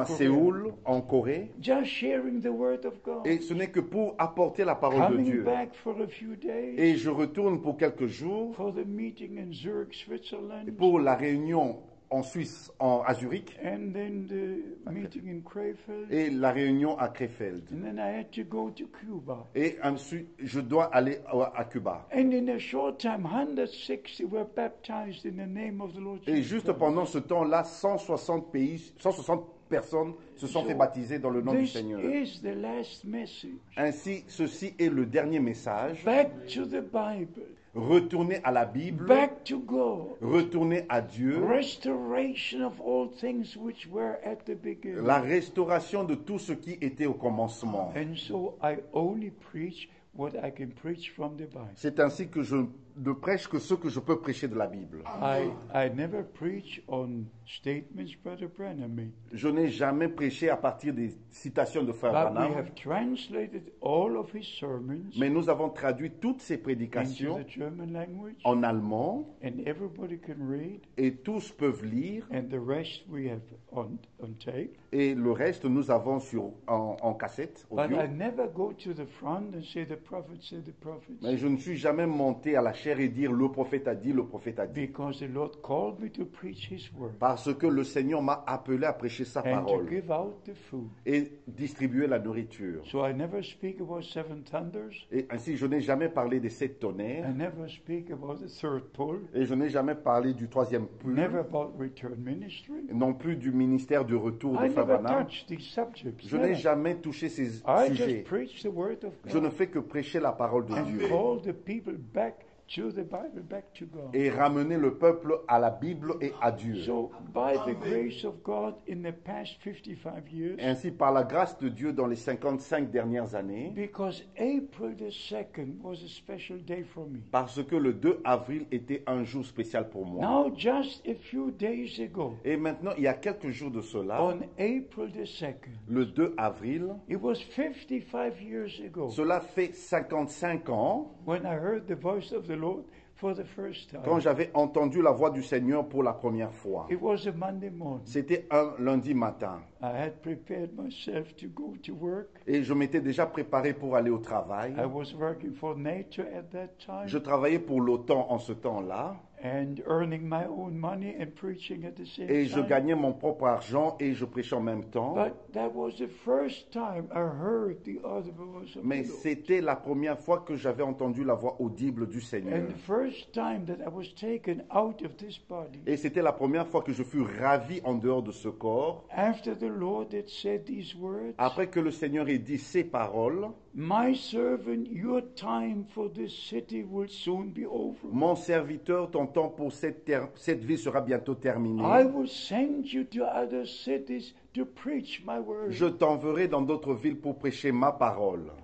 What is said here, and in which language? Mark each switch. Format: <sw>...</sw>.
<fr>à Séoul, en Corée,</fr> <en>just sharing the word of God.</en> <fr>Et ce n'est que pour apporter la parole</fr> <en>coming</en> <fr>de Dieu.</fr> <en>Back for a few days,</en> <fr>et je retourne pour quelques jours</fr> <en>for the meeting in Zurich, Switzerland,</en> <fr>pour la réunion en Suisse, en, à Zurich,</fr> <en>and then the meeting in Krefeld,</en> <fr>et la réunion à Krefeld.</fr> <en>And then I had to go to Cuba.</en> <fr>Et ensuite, je dois aller à Cuba.</fr> <en>And in a short time, 160 were baptized in the name of the Lord Jesus.</en> <fr>Et juste pendant ce temps-là, 160 personnes se sont fait baptiser dans le nom</fr> <en>this</en> <fr>du Seigneur.</fr> <en>Is the last message.</en> <fr>Ainsi, ceci est le dernier message.</fr> <en>Back to the Bible.</en> <fr>Retourner à la Bible.</fr> <en>Back to God.</en> <fr>Retourner à Dieu.</fr> <en>Restoration of all things which were at the beginning.</en> <fr>La restauration de tout ce qui était au commencement.</fr> <en>And so I only preach what I can preach from the Bible.</en> <fr>C'est ainsi que je ne prêche que ce que je peux prêcher de la Bible.</fr> <en>I never preach on statements Brother Branham made.</en> <fr>Je n'ai jamais prêché à partir des citations de Frère Branham.</fr> <en>But we have translated all of his sermons.</en> <fr>Mais nous avons traduit toutes ses prédications</fr> <en>into the German language,</en> <fr>en allemand,</fr> <en>and everybody can read,</en> <fr>et tous peuvent lire,</fr> <en>and the rest we have on tape.</en> <fr>Et le reste nous avons sur en cassette audio.</fr> <en>But I never go to the front and say the prophet said the prophet.</en> <fr>Mais je ne suis jamais monté à la chair et dire le prophète a dit, le prophète a dit.</fr> <en>Because the Lord called me to preach his word.</en> <fr>Parce que le Seigneur m'a appelé à prêcher sa</fr> <en>and</en> <fr>parole</fr> <en>to give out the food.</en> <fr>Et distribuer la nourriture.</fr> <en>So I never speak about seven thunders.</en> <fr>Et ainsi, je n'ai jamais parlé des sept tonnerres.</fr> <en>I never speak about the third pole.</en> <fr>Et je n'ai jamais parlé du troisième pôle.</fr> <en>Never about return ministry.</en> <fr>Non plus du ministère de retour de Favana. Je n'ai jamais touché ces</fr> <en>I</en> <fr>sujets.</fr> <en>Just preach the word of God.</en> <fr>Je ne fais que prêcher la parole de</fr> <en>and</en> <fr>Dieu.</fr> <en>Call the people back to the Bible, back to God.</en> <fr>Et ramener le peuple à la Bible et à Dieu.</fr> <en>So, by the grace of God in the past 55 years,</en> <fr>ainsi, par la grâce de Dieu dans les 55 dernières années,</fr> <en>because April the 2nd was a special day for me.</en> <fr>Parce que le 2 avril était un jour spécial pour moi.</fr> <en>Now, just a few days ago,</en> <fr>et maintenant, il y a quelques jours de cela,</fr> <en>on April the 2nd,</en> <fr>le 2 avril,</fr> <en>it was 55 years ago,</en> <fr>cela fait 55 ans,</fr> <en>when I heard the voice of the Lord for the first time.</en> <fr>Quand j'avais entendu la voix du Seigneur pour la première fois.</fr> <en>It was a Monday morning.</en> <fr>C'était un lundi matin.</fr> <en>I had prepared myself to go to work.</en> <fr>Et je m'étais déjà préparé pour aller au travail.</fr> <en>I was working for NATO at that time.</en> <fr>Je travaillais pour l'OTAN en ce temps-là.</fr> <en>And earning my own money and preaching at the same time.</en> <fr>Et je gagnais mon propre argent et je prêchais en même temps.</fr> <en>But that was the first time I heard the audible voice of the Lord.</en> <fr>Mais c'était la première fois que j'avais entendu la voix audible du Seigneur.</fr> <en>And the first time that I was taken out of this body.</en> <fr>Et c'était la première fois que je fus ravi en dehors de ce corps.</fr> <en>After the Lord had said these words.</en> <fr>Après que le Seigneur ait dit ces paroles.</fr> <en>My servant, your time for this city will soon be over.</en> <fr>Mon serviteur, ton temps pour cette ville sera bientôt terminé.</fr> <en>I will send you to other cities to preach my word.</en> <fr>Je t'enverrai dans d'autres villes pour prêcher ma parole.</fr>